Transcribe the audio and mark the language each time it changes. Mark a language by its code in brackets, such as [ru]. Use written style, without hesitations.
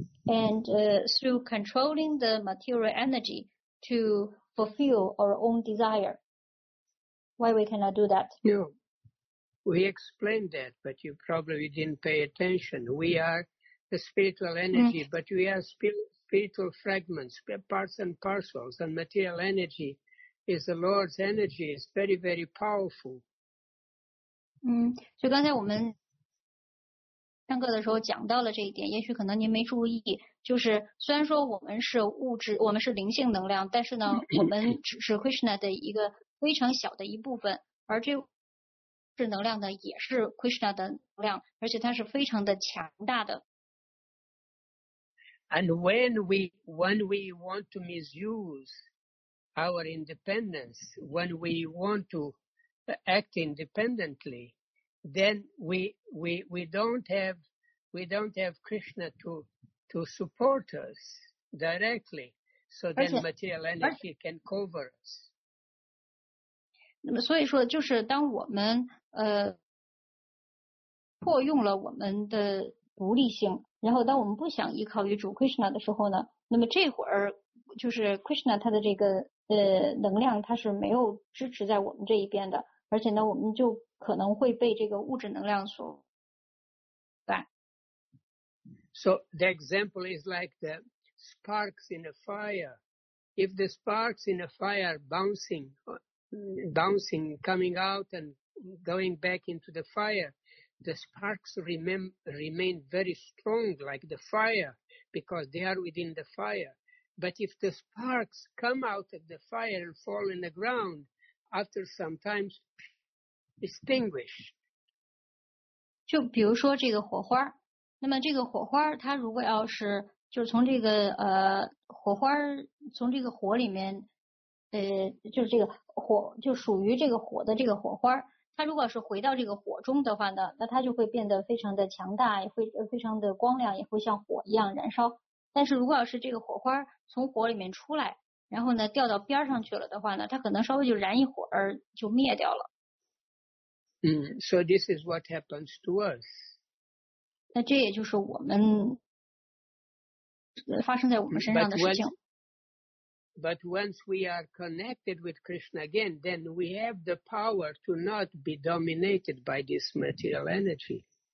[en] And through controlling the material energy to fulfill our own desire, why we cannot do that? We explained that, but you probably didn't pay attention. We are the spiritual energy, but we are spiritual fragments, parts and parcels, and material energy is the Lord's energy. It's very, very powerful. [zh] 所以刚才我们上课的时候讲到了这一点，也许可能您没注意，就是虽然说我们是物质，我们是灵性能量，但是呢，我们只是 Krishna 的一个非常小的一部分，而这是能量的，也是 Krishna 的能量，而且它是非常的强大的。 [en] And when we want to misuse our independence, when we want to act independently, then we don't have Krishna to support us directly. So then material energy can cover us. [zh] 那么所以说，就是当我们破用了我们的独立性，然后当我们不想依靠于主 Krishna 的时候呢，那么这会儿就是 Krishna 他的这个能量，他是没有支持在我们这一边的，而且呢，我们就可能会被这个物质能量所带。 [en] So the example is like the sparks in a fire. If the sparks in a fire bouncing, coming out and going back into the fire, the sparks remain very strong like the fire because they are within the fire. But if the sparks come out of the fire and fall in the ground, after some time, extinguish. [zh] 就比如说这个火花，那么这个火花它如果要是就是从这个火花从这个火里面就是这个火就属于这个火的这个火花，它如果是回到这个火中的话呢，那它就会变得非常的强大，也会非常的光亮，也会像火一样燃烧。但是如果要是这个火花从火里面出来，然后呢掉到边上去了的话呢，它可能稍微就燃一会儿就灭掉了。 [en] So this is what happens to us. [zh] 那这也就是我们发生在我们身上的事情。 [en] But once we are connected with Krishna again, then we have the power to not be dominated by this material energy.